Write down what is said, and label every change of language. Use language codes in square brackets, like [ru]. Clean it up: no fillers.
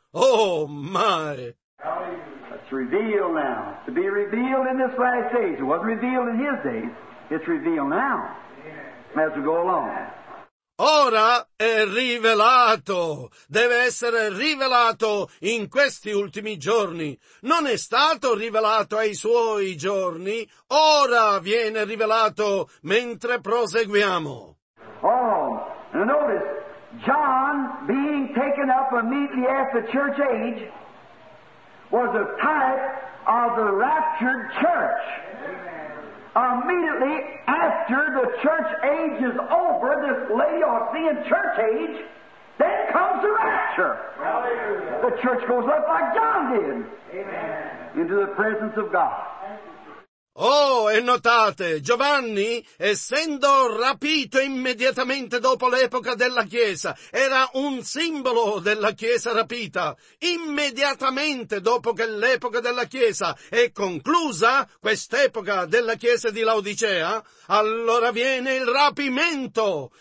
[en] Oh, my! It's revealed now. To be revealed in this last age. It wasn't revealed in his days. It's revealed now. As we go along. [it] Ora è rivelato, deve essere rivelato in questi ultimi giorni. Non è stato rivelato ai suoi giorni, ora viene rivelato mentre proseguiamo. [en] Oh, and notice, John being taken up immediately after the church age was a type of the raptured church. Immediately after the church age is over, this Laodicean church age, then comes the rapture. The church goes up like John did. Amen. Into the presence of God. [it] Oh, e notate, Giovanni, essendo rapito immediatamente dopo l'epoca della Chiesa, era un simbolo della Chiesa rapita. Immediatamente dopo che l'epoca della Chiesa è conclusa, quest'epoca della Chiesa di Laodicea, allora viene il rapimento.